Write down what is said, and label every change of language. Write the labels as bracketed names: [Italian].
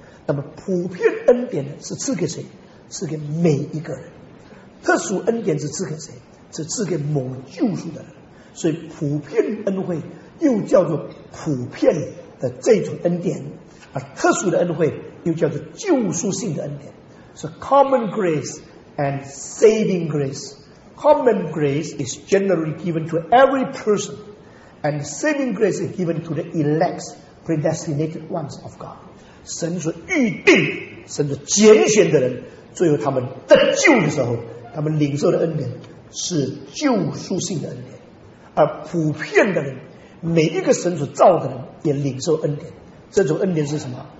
[Chinese] 那么普遍恩典是赐给谁？赐给每一个人。特殊恩典是赐给谁？是赐给某救赎的人。所以普遍恩惠又叫做普遍的这种恩典，而特殊的恩惠又叫做救赎性的恩典。 [English] So common grace and saving grace. Common grace is generally given to every person, and saving grace is given to the elect, predestinated ones of God. [Chinese] 神所预定，神所拣选的人，最后他们得救的时候，他们领受的恩典是救赎性的恩典。而普遍的人，每一个神所造的人也领受恩典。这种恩典是什么？